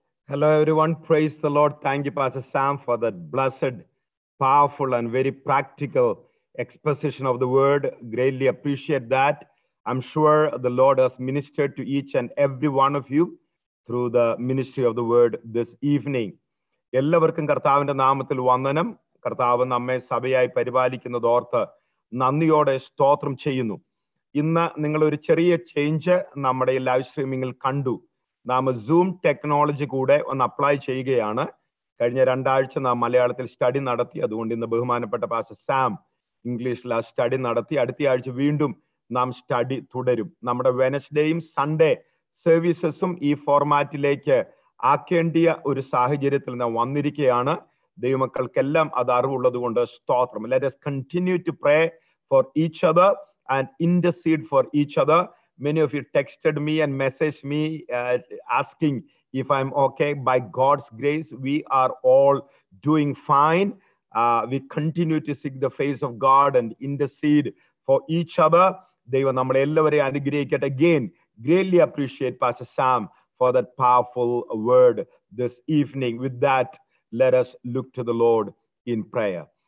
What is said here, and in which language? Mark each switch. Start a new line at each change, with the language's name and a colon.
English: Hello, everyone. Praise the Lord. Thank you, Pastor Sam, for that blessed, powerful, and very practical exposition of the word. Greatly appreciate that. I'm sure the Lord has ministered to each and every one of you through the ministry of the word this evening.
Malayalam: എല്ലാവർക്കും കർത്താവിൻ്റെ നാമത്തിൽ വന്ദനം. കർത്താവ് നമ്മെ സഭയായി പരിപാലിക്കുന്നത് ഓർത്ത് നന്ദിയോടെ സ്തോത്രം ചെയ്യുന്നു. ഇന്ന് നിങ്ങൾ ഒരു ചെറിയ ചേഞ്ച് നമ്മുടെ ലൈവ് സ്ട്രീമിങ്ങിൽ കണ്ടു. നാം സൂം ടെക്നോളജി കൂടെ ഒന്ന് അപ്ലൈ ചെയ്യുകയാണ്. കഴിഞ്ഞ രണ്ടാഴ്ച നാം മലയാളത്തിൽ സ്റ്റഡി നടത്തി, അതുകൊണ്ട് ഇന്ന് ബഹുമാനപ്പെട്ട പാസ്റ്റർ സാം ഇംഗ്ലീഷിൽ ആ സ്റ്റഡി നടത്തി. അടുത്ത ആഴ്ച വീണ്ടും നാം സ്റ്റഡി തുടരും. നമ്മുടെ വെനസ്ഡേയും സൺഡേ സർവീസസും ഈ ഫോർമാറ്റിലേക്ക് ആക്കേണ്ടിയ ഒരു സാഹചര്യത്തിൽ നാം വന്നിരിക്കുകയാണ്. ദൈവമക്കൾക്കെല്ലാം അത് അറിവുള്ളത് കൊണ്ട് സ്തോത്രം.
English: Let's continue to pray for each other and intercede for each other. Many of you texted me and message me asking if I am okay. By God's grace we are all doing fine. We continue to seek the face of God and intercede for each other.
Malayalam: ദൈവം നമ്മളെ എല്ലാവരെയും അനുഗ്രഹിക്കട്ടെ.
English: Again greatly appreciate pastor Sam for that powerful word this evening. With that, let us look to the Lord in prayer.